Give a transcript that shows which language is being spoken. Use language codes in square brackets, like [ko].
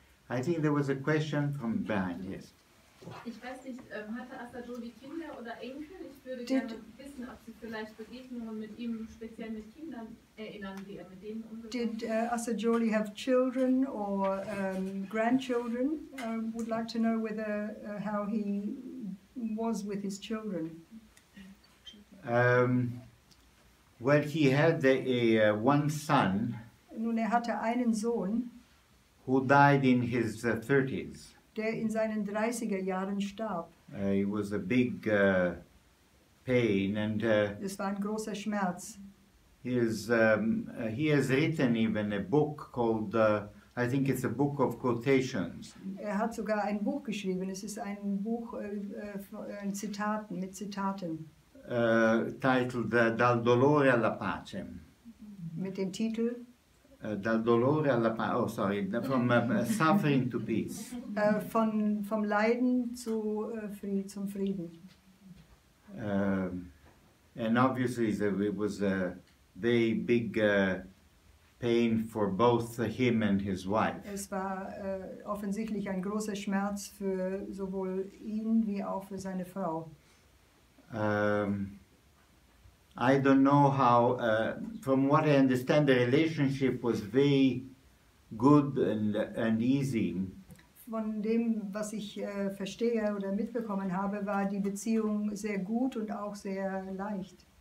[en] I think there was a question from behind, yes. [de] Ich weiß nicht, hatte Assagioli Kinder oder Enkel? Ich würde gerne wissen, ob Sie vielleicht Begegnungen mit ihm, speziell mit Kindern, erinnern, die mit denen umgegangen. [en] Did Assagioli have children or grandchildren? Would like to know whether how he was with his children. Well, he had one son. [de] Nun, hatte einen Sohn. [en] Who died in his 30s. [de] Der in seinen 30er Jahren starb. [en] It was a big pain and [de] es war ein großer Schmerz. [en] He has written even a book called I think it's a book of quotations. [de] Er hat sogar ein Buch geschrieben. Es ist ein Buch von Zitaten, mit Zitaten. [en] titled Dal dolore alla pace. [de] Mit dem Titel? [en] Dal dolore alla pace. Oh, sorry. From suffering to peace. [de] Vom Leiden zu zum Frieden. [en] And obviously, it was a very big pain for both him and his wife. [de] Es war offensichtlich ein großer Schmerz für sowohl ihn wie auch für seine Frau. [en] I don't know how, from what I understand, the relationship was very good and easy. [de] Von dem, was ich verstehe oder mitbekommen habe, war die Beziehung sehr gut und auch sehr leicht.